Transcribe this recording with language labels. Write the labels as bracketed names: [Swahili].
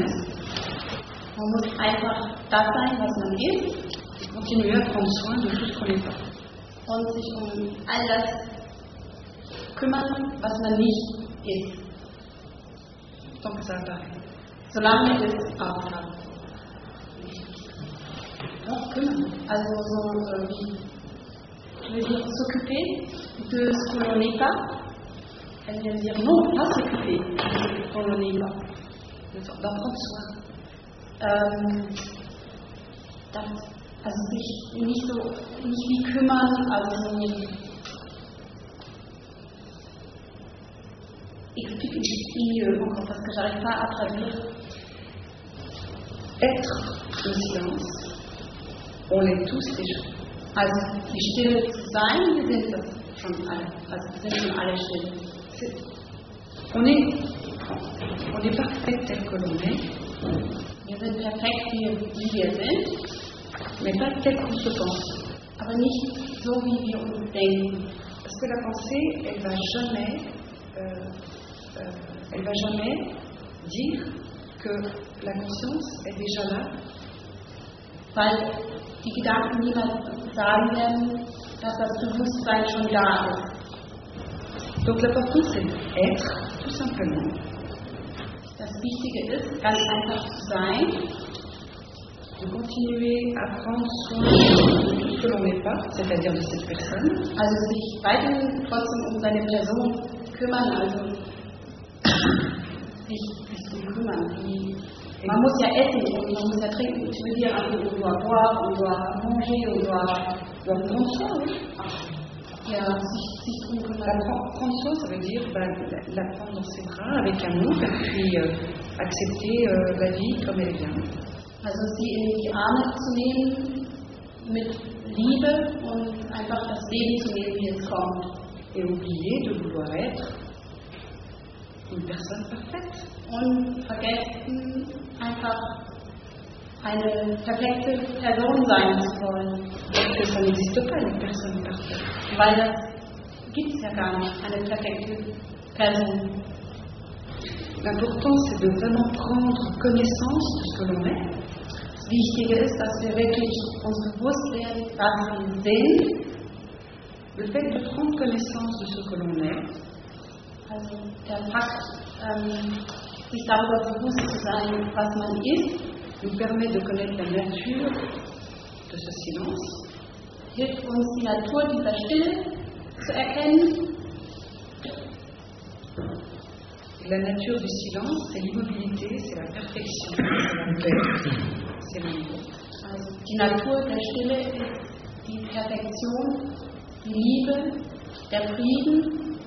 [German] On muss einfach das sein, was man ist. [French] Continuer à prendre soin de tout ce qu'on n'est pas. [German] Und sich um all das kümmern, was man nicht ist. [French] Tant que ça apparaît. [German] Solange es apparaît. [French] Donc, kümmern. [German] Also, so wie. [French] Je veux dire, s'occuper de ce que l'on n'est pas. Elle vient dire non, pas s'occuper de ce que l'on n'est pas. D'en prendre soin. [German] Also sich nicht so nicht wie kümmern, also [French] explique ici encore parce que j'arrive pas à traduire. Être le silence, on est tous déjà. [German] Also die Stille zu sein, wir sind das schon alle. Also wir sind schon alle still. [French] On est parfait tel que l'on est. [German] Wir sind perfekt, wie wir sind, [French] mais pas tel qu'on se pense. [German] Aber nicht so, wie wir uns denken. [French] Parce que la pensée, elle va jamais dire que la conscience est déjà là. [German] Weil die Gedanken niemals sagen werden, dass das Bewusstsein schon da ist. [French] Donc l'important, c'est être, tout simplement. [German] Das Wichtige ist, ganz einfach zu sein, [French] de continuer à prendre soin de ce que l'on n'est pas, c'est-à-dire de cette personne. [German] Also sich weiterhin trotzdem um seine Person kümmern, also sich um kümmern. Man muss ja essen und man muss ja trinken. Ich will dir also, [French] on doit boire, on doit manger, on doit prendre soin. [German] Ja, sich drum kümmern. [French] Prendre soin, ça veut dire la prendre dans ses bras avec amour et puis accepter la vie comme elle vient. [German] Also sie in die Arme zu nehmen mit Liebe und einfach das Leben zu nehmen, wie es kommt. [French] Et oublier de vouloir être une personne parfaite. [German] Und vergessen, einfach eine perfekte Person sein zu wollen. [French] Que ça n'existe pas, une personne parfaite. [German] Weil das gibt es ja gar nicht, eine perfekte Person. [French] L'important, c'est de vraiment prendre connaissance de ce que l'on est. [German] Das Wichtige ist, dass wir wirklich uns bewusst werden, was wir sehen. [French] Le fait de prendre connaissance de ce que l'on est. [German] Also der Fakt, sich darüber bewusst zu sein, was man ist, [French] nous permet de connaître la nature de ce silence. [German] Hilft uns, die Natur dieser Stille zu erkennen. [French] La nature du silence, c'est l'immobilité, c'est la perfection, c'est la paix, c'est l'amour. [German] Also, die Natur der Stille ist die Perfektion, die Liebe, der Frieden.